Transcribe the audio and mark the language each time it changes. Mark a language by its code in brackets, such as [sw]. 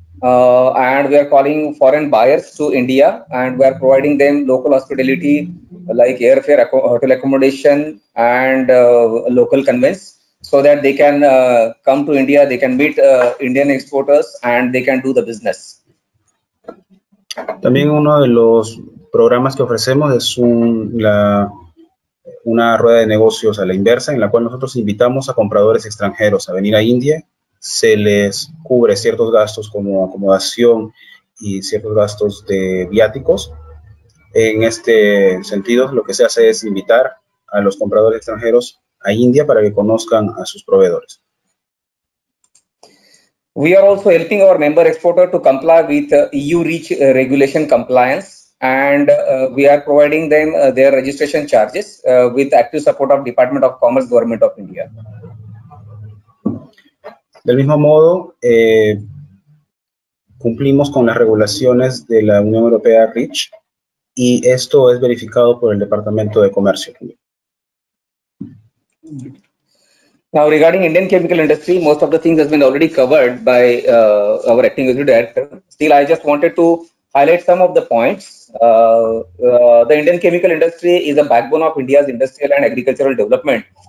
[en] And we are calling foreign buyers to India, and we are providing them local hospitality like airfare, hotel accommodation, and local convents so that they can come to India, they can meet Indian exporters, and they can do the business. [es] También uno de los programas que ofrecemos es una rueda de negocios a la inversa, en la cual nosotros invitamos a compradores extranjeros a venir a India. Se les cubre ciertos gastos como acomodación y ciertos gastos de viáticos. En este sentido, lo que se hace es invitar a los compradores extranjeros a India para que conozcan a sus proveedores. [en] We are also helping our member exporter to comply with EU REACH regulation compliance, and we are providing them their registration charges with active support of Department of Commerce, Government of India. [es] Del mismo modo, cumplimos con las regulaciones de la Unión Europea REACH y esto es verificado por el Departamento de Comercio. [en] Now, regarding Indian chemical industry, most of the things has been already covered by our acting executive director. Still, I just wanted to highlight some of the points. The Indian chemical industry is the backbone of India's industrial and agricultural development.